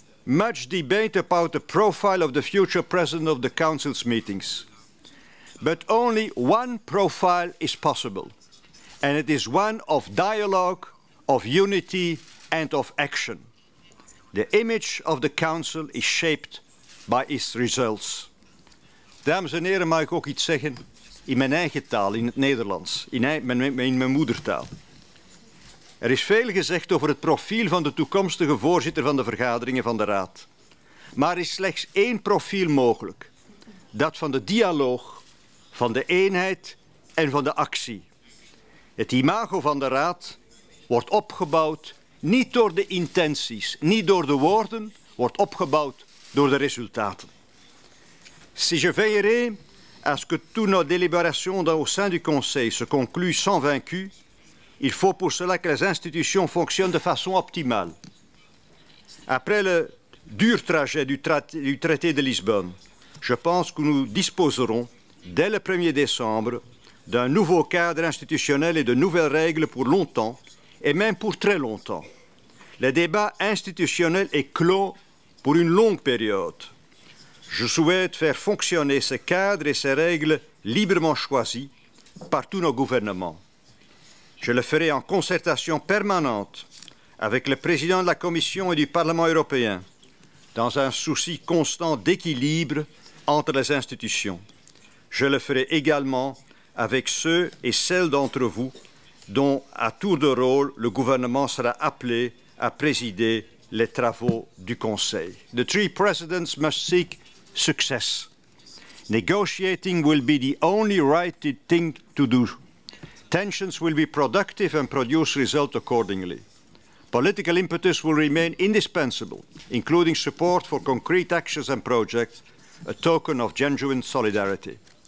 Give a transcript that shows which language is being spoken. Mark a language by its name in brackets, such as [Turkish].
[English] much debate about the profile of the future president of the council's meetings. But only one profile is possible, and it is one of dialogue, of unity, and of action. The image of the council is shaped by its results. [Dutch] Dames en heren, mag ik ook iets zeggen in mijn eigen taal, in het Nederlands, in mijn moedertaal. Er is veel gezegd over het profiel van de toekomstige voorzitter van de vergaderingen van de Raad. Maar er is slechts één profiel mogelijk. Dat van de dialoog, van de eenheid en van de actie. Het imago van de Raad wordt opgebouwd niet door de intenties, niet door de woorden, wordt opgebouwd door de resultaten. [French] Si je veillerai à ce que toutes nos délibérations au sein du Conseil se concluent sans vaincu, il faut pour cela que les institutions fonctionnent de façon optimale. Après le dur trajet du traité de Lisbonne, je pense que nous disposerons, dès le 1er décembre, d'un nouveau cadre institutionnel et de nouvelles règles pour longtemps, et même pour très longtemps. Le débat institutionnel est clos pour une longue période. Je souhaite faire fonctionner ce cadre et ces règles librement choisies par tous nos gouvernements. Je le ferai en concertation permanente avec le président de la Commission et du Parlement européen, dans un souci constant d'équilibre entre les institutions. Je le ferai également avec ceux et celles d'entre vous dont, à tour de rôle, le gouvernement sera appelé à présider les travaux du Conseil. [English] The three presidents must seek success. Negotiating will be the only right thing to do. Tensions will be productive and produce results accordingly. Political impetus will remain indispensable, including support for concrete actions and projects, a token of genuine solidarity.